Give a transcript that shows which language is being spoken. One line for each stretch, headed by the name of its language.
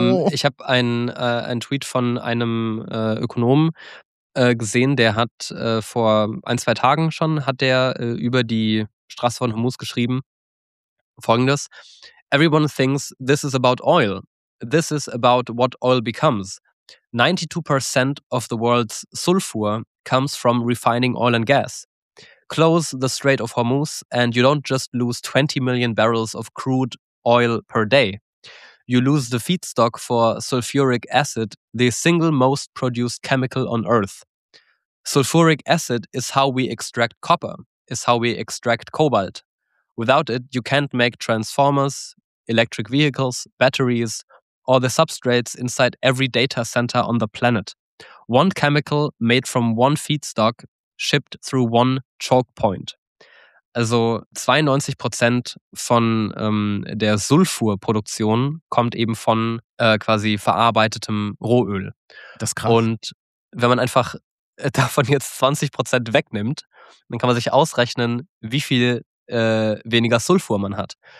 German: Ich habe einen Tweet von einem Ökonomen gesehen, der hat vor ein, zwei Tagen schon, hat der über die Straße von Hormuz geschrieben, folgendes:
English: Everyone thinks this is about oil. This is about what oil becomes. 92% of the world's sulfur comes from refining oil and gas. Close the Strait of Hormuz and you don't just lose 20 million barrels of crude oil per day. You lose the feedstock for sulfuric acid, the single most produced chemical on Earth. Sulfuric acid is how we extract copper, is how we extract cobalt. Without it, you can't make transformers, electric vehicles, batteries, or the substrates inside every data center on the planet. One chemical made from one feedstock shipped through one choke point.
German: Also 92% von der Sulfurproduktion kommt eben von quasi verarbeitetem Rohöl. Das ist krass. Und wenn man einfach davon jetzt 20% wegnimmt, dann kann man sich ausrechnen, wie viel weniger Sulfur man hat.